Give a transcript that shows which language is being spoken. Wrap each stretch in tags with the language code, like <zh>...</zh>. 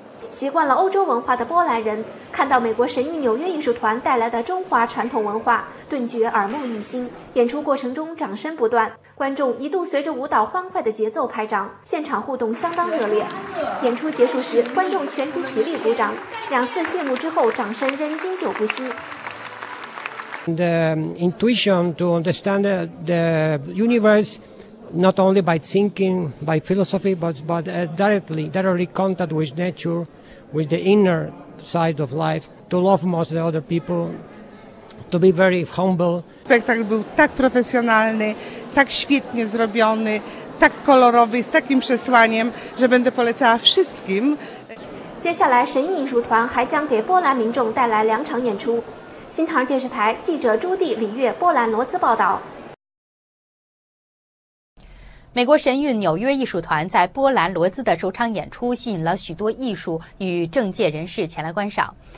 <zh>习惯了欧洲文化的波兰人看到美国神韵纽约艺术团带来的中华传统文化，顿觉耳目一新。演出过程中掌声不断，观众一度随着舞蹈欢快的节奏拍掌，现场互动相当热烈。演出结束时，观众全体起立鼓掌，两次谢幕之后掌声仍经久不息。</zh> <en>The intuition to understand the universe not only by thinking, by philosophy, but directly contact with nature, with the inner side of life, to love most the other people, to be very humble.</en> <pl>Spektakl był tak profesjonalny, tak świetnie zrobiony, tak kolorowy, z takim przesłaniem, że będę polecała wszystkim.</pl> <zh>接下来神韵艺术团还将给波兰民众带来两场演出。新唐人电视台记者朱棣、李月，波兰罗兹报道。美国神韵纽约艺术团在波兰罗兹的首场演出吸引了许多艺术与政界人士前来观赏。</zh>